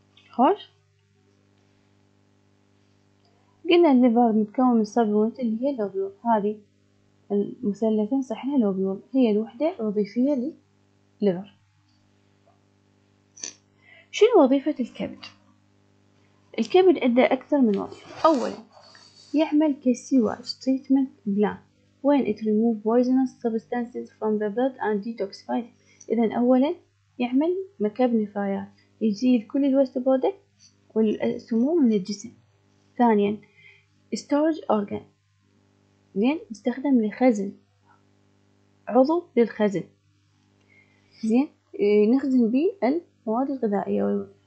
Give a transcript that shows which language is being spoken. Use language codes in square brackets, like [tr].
[ar] خوش قلنا الليفر متكون من صبغات اللي هي لوبيول، هذه المثلثين صحنا لوبيول هي الوحدة الوظيفية لليفر. شنو وظيفة الكبد؟ الكبد عنده أكثر من وظيفة. أولا يعمل [en] كسيواج treatment plant when it remove poisonous substances from the blood and detoxify. [ar] إذا أولا يعمل مكب نفايات يزيل كل الويست برودكت والسموم من الجسم. ثانيا storage organ زين يستخدم لخزن عضو للخزن زين نخزن به المواد الغذائية.